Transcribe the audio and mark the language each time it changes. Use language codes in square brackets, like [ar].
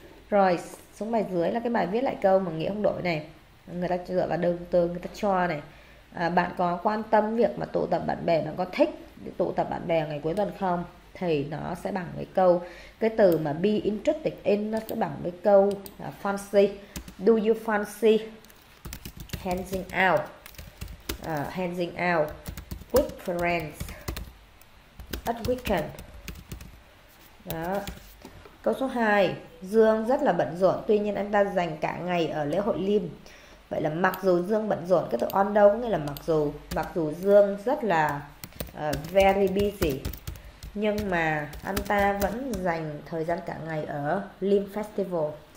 [vi] Rồi xuống bài dưới là cái bài viết lại câu mà nghĩa không đổi này, người ta dựa vào động từ người ta cho này. Bạn có quan tâm việc mà tụ tập bạn bè, bạn có thích tụ tập bạn bè ngày cuối tuần không, thì nó sẽ bằng với câu cái từ mà [en] be interested in, [vi] nó sẽ bằng với câu fancy. [en] Do you fancy hanging out, hanging out with friends at weekend. [vi] Đó. Câu số 2, Dương rất là bận rộn, tuy nhiên anh ta dành cả ngày ở lễ hội Lim. Vậy là mặc dù Dương bận rộn, cái từ on đâu có nghĩa là mặc dù Dương rất là [en] very busy, [vi] nhưng mà anh ta vẫn dành thời gian cả ngày ở Lim Festival.